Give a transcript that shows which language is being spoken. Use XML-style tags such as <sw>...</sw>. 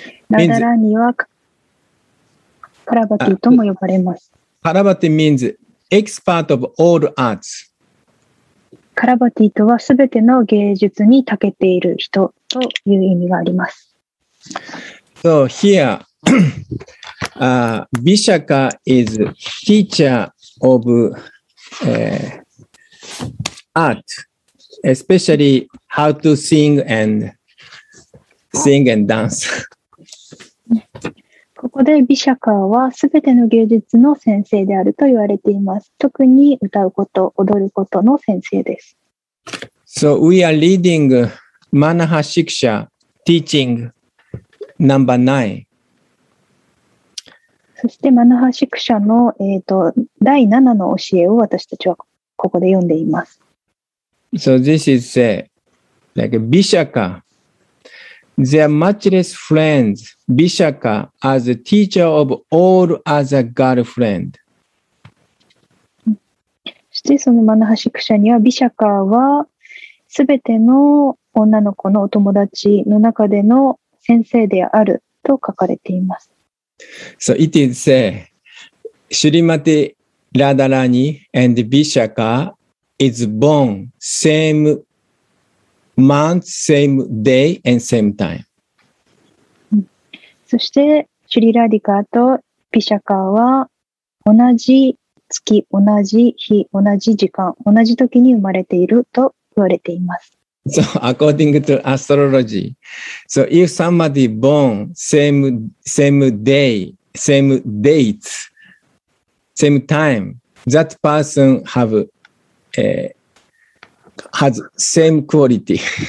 <ja>ラダラーニはカラバティとも呼ばれます。</ja> <en>カラバティ means expert of all arts.</en> <ja>カラバティとはすべての芸術に長けている人という意味があります。</ja> <en>So, here, Vishakha is teacher of art, especially how to sing and dance.</en> <ja>ここで Vishakha は全ての芸術の先生であると言われています。特に歌うこと、踊ることの先生です。</ja> <en>So we are reading Manaha Shiksha teaching number 9.</en> <ja>そしてマナハシクシャの、第7の教えを私たちはここで読んでいます。</ja> <en>So this is say, like Vishakha, they are matchless friends, Vishakha as a teacher of all other girlfriend.</en> <ja>そしてそのマナハシクシャには Vishakha は全ての女の子のお友達の中での先生であると書かれています。</ja> <en>So it is said, Shrimati Radharani and Vishakha is born same month, same day and same time.</en> <ja>そして、シュリラディカとビシャカは同じ月、同じ日、同じ時間、同じ時に生まれていると言われています。</ja> <en>So according to astrology, so if somebody born same day, same date, same time, that person have has same quality.</en>